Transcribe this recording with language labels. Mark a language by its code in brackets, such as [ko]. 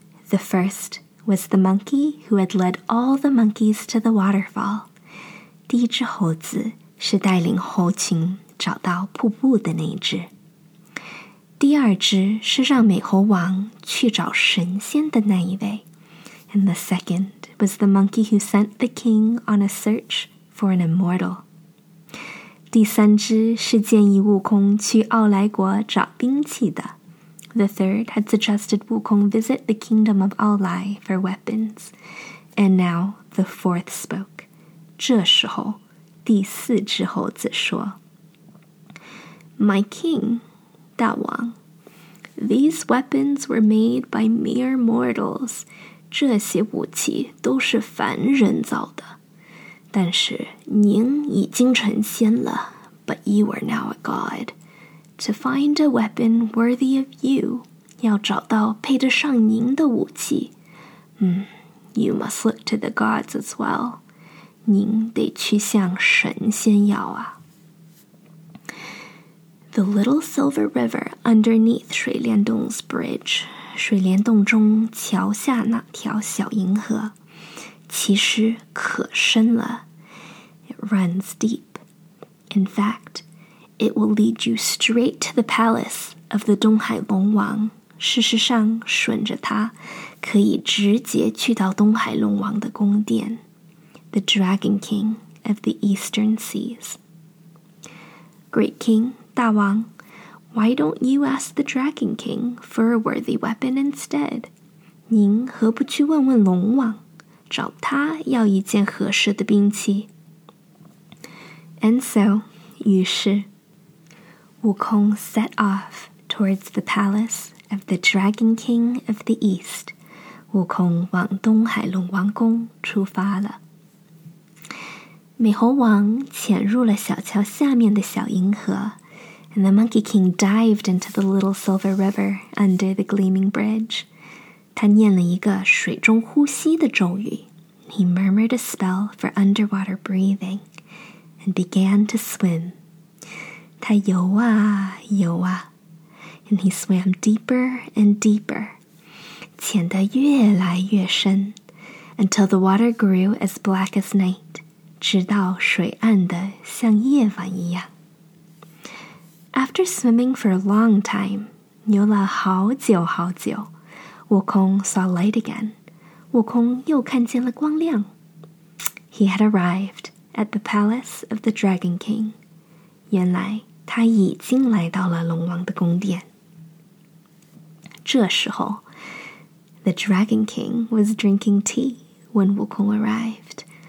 [en] The first was the monkey who had led all the monkeys to the waterfall. [zh] 第一只猴子是带领猴群找到瀑布的那一只。第二只是让美猴王去找神仙的那一位。 [en] And the second was the monkey who sent the king on a search for an immortal. [zh] 第三只是建议悟空去傲来国找兵器的。 [en] The third had suggested 悟空 visit the kingdom of 傲来 for weapons. And now the fourth spoke. [zh] 这时候第四只猴子说 [en] My king, 大王 these weapons were made by mere mortals. [zh] 这些武器都是凡人造的。但是您已经成仙了 , [en] but you are now a god. To find a weapon worthy of you, [zh] 要找到配得上您的武器。 [en] You must look to the gods as well. [zh] 您得去向神仙要啊。 [en] The little silver river underneath 水帘洞's bridge. [zh] 水帘洞中桥下那条小银河其实可深了。 [en] It runs deep. In fact, it will lead you straight to the palace of the 东海龙王。 [zh] 事实上顺着它可以直接去到东海龙王的宫殿。 [en] The Dragon King of the Eastern Seas. Great King, 大王。 Why don't you ask the Dragon King for a worthy weapon instead? [zh] 您何不去问问龙王，找他要一件合适的兵器？ [en] And so, [zh] 于是 [en] 悟空 set off towards the palace of the Dragon King of the East. [zh] 悟空往东海龙王宫出发了。美猴王潜入了小桥下面的小银河。 [en] And the Monkey King dived into the little silver river under the gleaming bridge. [zh] 他念了一个水中呼吸的咒语。 [en] He murmured a spell for underwater breathing and began to swim. [zh] 他游啊游啊 [en] And he swam deeper and deeper, [zh] 潜得越来越深, [en] until the water grew as black as night, [zh] 直到水暗得像夜晚一样。 [en] After swimming for a long time, [zh] 游了好久好久, [en] 悟空 saw light again, [zh] 悟空又看见了光亮。 [en] He had arrived at the palace of the Dragon King. [zh] 原来他已经来到了龙王的宫殿。这时候, [en] the Dragon King was drinking tea when 悟空 arrived.